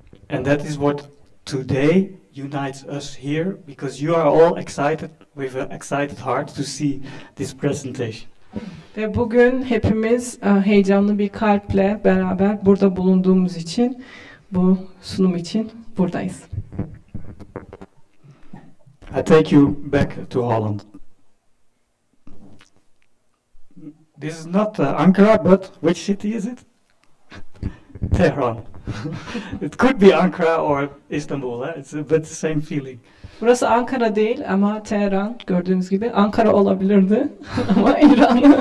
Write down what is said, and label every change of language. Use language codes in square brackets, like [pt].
[en] And that is what today unites us here, because you are all excited with an excited heart to see this presentation. [tr] Ve bugün hepimiz heyecanlı bir kalple beraber burada bulunduğumuz için, bu sunum için buradayız. [en] I take you back to Holland. This is not Ankara, but which city is it? Tehran. It could be Ankara or Istanbul, it's but the same feeling. [tr] Burası Ankara değil ama Tehran, gördüğünüz gibi Ankara olabilirdi ama İran.